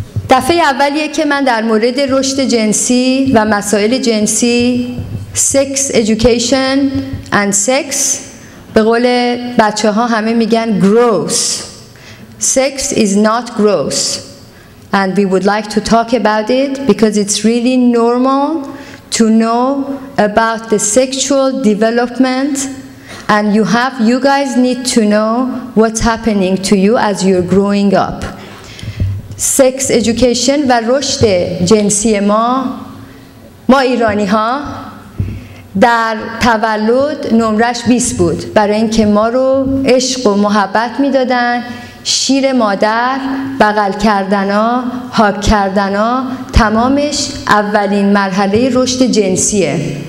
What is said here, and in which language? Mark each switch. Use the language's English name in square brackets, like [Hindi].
[Persian] دفعه اولیه که من در مورد رشد جنسی و مسائل جنسی sex education and sex، به قول بچه ها همه میگن gross. [English] Sex is not gross. And we would like to talk about it because it's really normal to know about the sexual development and you guys need to know what's happening to you as you're growing up. [Persian] Sex education و رشد جنسی ما ایرانی ها در تولد نمرش 20 بود، برای اینکه ما رو عشق و محبت میدادن، شیر مادر، بغل کردنا، هاک کردنا، تمامش اولین مرحله رشد جنسیه.